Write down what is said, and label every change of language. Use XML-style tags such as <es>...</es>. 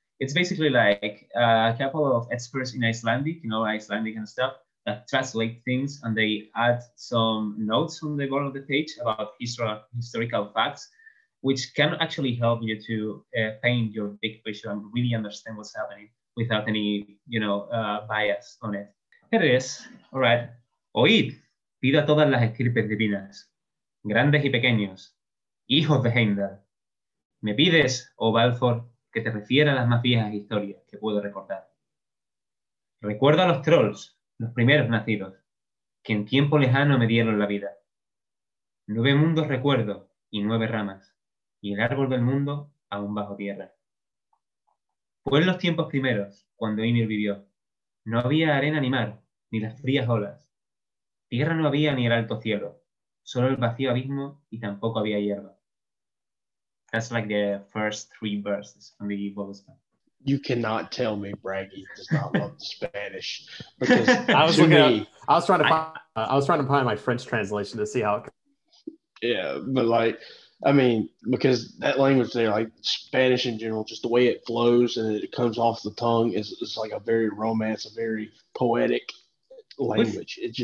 <en>It's basically like a couple of experts in Icelandic, you know, Icelandic and stuff, that translate things, and they add some notes on the bottom of the page about historical facts, which can actually help you to paint your big picture and really understand what's happening without any, you know, bias on it. Here it is. All right.</en> <es>Oíd, pido a todas las estirpes divinas, grandes y pequeños, hijos de Heimdall. Me pides, oh Balfour, que te refiera a las más viejas historias que puedo recordar. Recuerdo a los trolls, los primeros nacidos, que en tiempo lejano me dieron la vida. Nueve mundos recuerdo y nueve ramas, y el árbol del mundo aún bajo tierra. Fue en los tiempos primeros, cuando Ymir vivió. No había arena ni mar, ni las frías olas. Tierra no había ni el alto cielo, solo el vacío abismo y tampoco había hierba.</es> <en>That's like the first three verses from the Voluspa. You cannot tell me Bragi does not love Spanish. I was trying to find my French translation to see how it comes. Yeah, but like, I mean, because that language there, like Spanish in general, just the way it flows and it comes off the tongue is like a very romance, a very poetic language.</en>